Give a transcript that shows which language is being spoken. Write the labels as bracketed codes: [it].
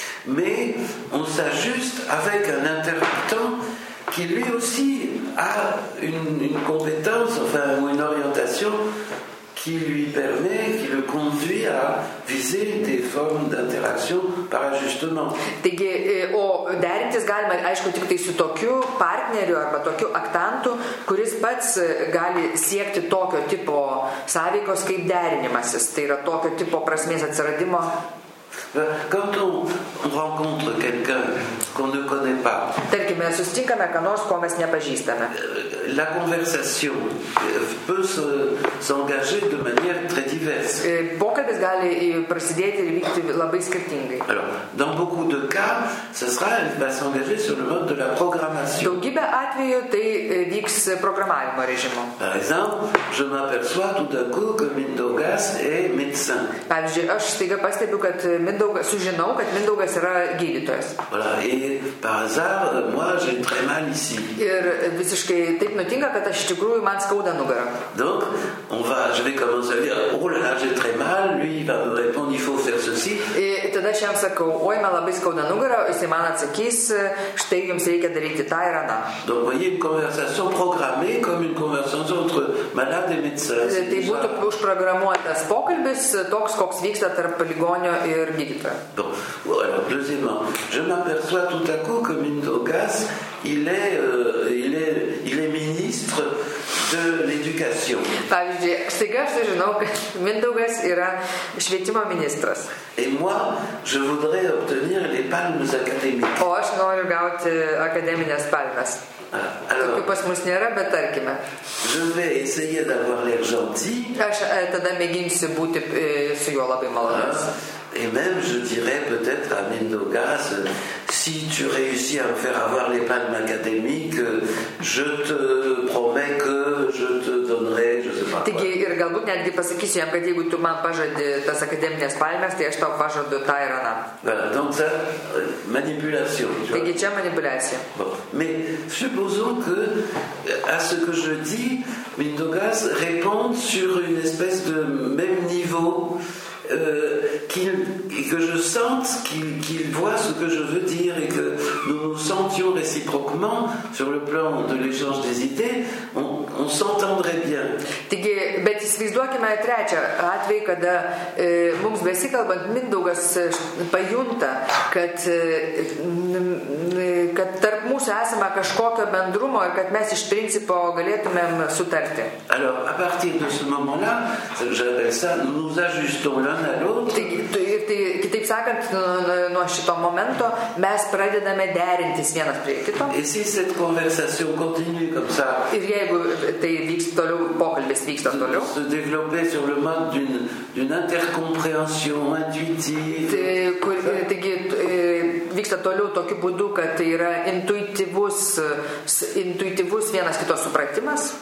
[fr] Mais on s'ajuste avec un interprétant qui lui aussi a une compétence, enfin une orientation qui lui permet, qui le conduit à viser des formes d'interaction par ajustement. [lt] Taigi, o derintis galima, aišku, tik tai su tokiu partneriu arba tokiu aktantu, kuris pats gali siekti tokio tipo sąveikos kaip derinimasis, tai yra tokio tipo prasmės atsiradimo. [fr] Quand on rencontre quelqu'un qu'on ne connaît pas. [lt] Tarkime, susitinkame ką nors, ko mes nepažįstame. [fr] La conversation peut s'engager de manière très diverse. [lt] Pokalbis gali prasidėti ir vykti labai skirtingai. [fr] Alors, dans beaucoup de cas, ce sera va s'engager sur le mode de la programmation. [lt] Daugybė atveju tai vyks programavimo režimu. [fr] Par exemple, je m'aperçois tout d'un coup que Mindaugas est médecin. [lt] Pavyzdžiui, aš staiga pastebiu, kad Mindaugas, sužinau, kad Mindaugas yra gydytojas. [fr] Voilà, et par hasard, moi j'ai très mal ici. [lt] Ir visiškai taip nutinka, kad aš iš tikrųjų man skauda nugarą. [fr] Donc, je vais commencer à dire, oh là là, j'ai très mal, lui il va me répondre, il faut faire ceci. [lt] Et tada aš jam sakau, oi, man labai skauda nugarą, jis man atsakys, štai jums reikia daryti tą ir aną. [fr] Donc, voyez, une conversation programmée comme une conversation entre malade et médecin. [lt] Tai būtų užprogramuotas pokalbis, toks, koks vyksta tarp ligonio ir gydytojo. [fr] Bon, alors, deuxièmement, je m'aperçois tout à coup que Mindaugas, il est ministre de l'éducation. [lt] Pavyzdžiui, staiga aš sužinau, kad Mindaugas yra švietimo ministras. [fr] Et moi, je voudrais obtenir les palmes académiques. [lt] O aš noriu gauti akademinės palmes. [fr] Alors, [lt] pas mus nėra, bet tarkime. [fr] Je vais essayer d'avoir l'air gentil. [lt] Aš tada mėginsiu būti su juo labai malonus. [fr] Et même je dirais peut-être à Mindaugas, si tu réussis à me faire avoir les palmes académiques, je te promets que je te donnerai, je sais pas. [lt] Taigi, ir galbūt netgi pasakysiu jam, kad jeigu tu man pažadi tas akademinės palmes, tai aš tau pažadu tą ir aną. [fr] Donc ça, manipulation. [lt] Taigi, čia manipulacija. [fr] Bon. Mais supposons que à ce que je dis, Mindaugas réponde sur une espèce de même niveau. Que je sente qu'il voit ce que je veux dire et que nous nous sentions réciproquement sur le plan de l'échange des idées, on s'entendrait bien. [lt] Taigi, bet įsivaizduokime trečią atvejį, kada mums besikalbant Mindaugas pajunta, kad tarp mūsų esama kažkokio bendrumo ir kad mes iš principo galėtumėm sutarti. [fr] Alors, à partir de ce moment-là, j'appelle ça, nous nous ajustons l'un à l'autre. [lt] Kitaip sakant, nuo šito momento mes pradedame derintis vienas prie kito. [fr] Et si cette conversation continue comme ça? [lt] Ir jeigu tai vyksta toliau, pokalbis vyksta toliau. [fr] Se développer sur le mode d'une intercompréhension intuitive. [lt] Taigi, vyksta toliau tokiu būdu, kad tai yra intuityvus vienas kito supratimas.